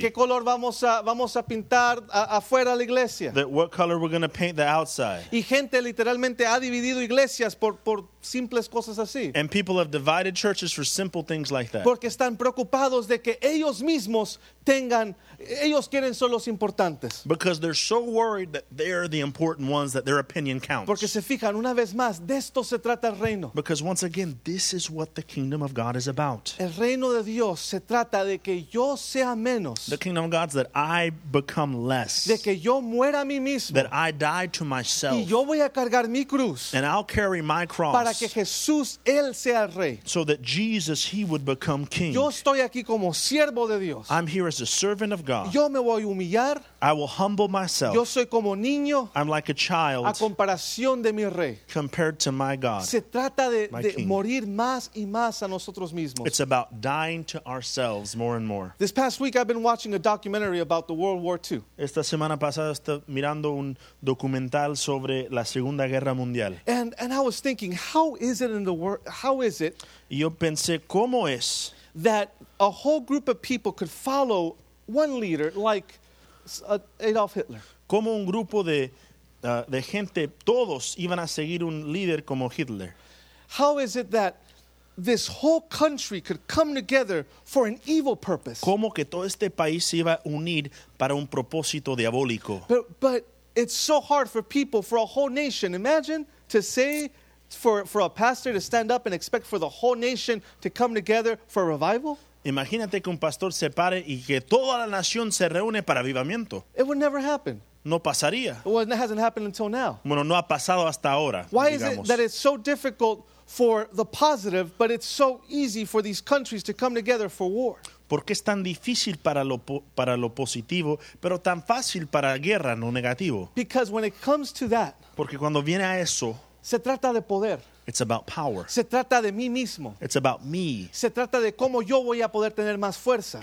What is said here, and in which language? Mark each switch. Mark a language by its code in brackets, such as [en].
[es] De qué color vamos a pintar afuera la iglesia. [en] That what color we're going to paint the outside. [es] Y gente literalmente ha dividido iglesias. Por simples cosas así. [en] And people have divided churches for simple things like that. [es] Porque están preocupados de que ellos mismos tengan, ellos quieren ser los importantes. [en] Because they're so worried that they're the important ones, that their opinion counts. [es] Porque se fijan una vez más, de esto se trata el reino. [en] Because once again, this is what the kingdom of God is about. [es] El reino de Dios se trata de que yo sea menos. [en] The kingdom of God is that I become less. [es] De que yo muera a mí mismo. [en] That I die to myself. [es] Y yo voy a cargar mi cruz. [en] And I'll carry my cross. [es] Para que Jesús, Él sea el rey. [en] So that Jesus, He would become king. [es] Yo estoy aquí como siervo de Dios. [en] I'm here as a servant of God. [es] Yo me voy a humillar. [en] I will humble myself. [es] Yo soy como niño. [en] I'm like a child. [es] A comparación de mi rey. [en] Compared to my God. [es] Se trata de morir más y más a nosotros mismos. [en] It's about dying to ourselves more and more. This past week I've been watching a documentary about the World War II. [es] Esta semana pasada estaba mirando un documental sobre la Segunda Guerra Mundial. [en] And I was thinking, how is it in the world? How is it? [es] Yo pensé, ¿cómo es? [en] That a whole group of people could follow one leader like Adolf Hitler. [es] Como un grupo de gente, todos iban a seguir un líder como Hitler. [en] How is it that this whole country could come together for an evil purpose? [es] Como que todo este país se iba a unir para un propósito diabólico. [en] But it's so hard for people, for a whole nation. Imagine to say, for a pastor to stand up and expect for the whole nation to come together for a revival. [es] Imagínate que un pastor se pare y que toda la nación se reúne para avivamiento. [en] It would never happen. [es] No pasaría. [en] Well, it hasn't happened until now. [es] Bueno, no ha pasado hasta ahora. [en] Why [es] digamos. [en] Is it that it's so difficult for the positive, but it's so easy for these countries to come together for war? [es] Porque es tan difícil para lo positivo, pero tan fácil para guerra, no negativo. [en] Because when it comes to that, [es] porque cuando viene a eso, se trata de poder. [en] It's about power. [es] Se trata de mí mismo. [en] It's about me. [es] Se trata de cómo yo voy a poder tener más fuerzas.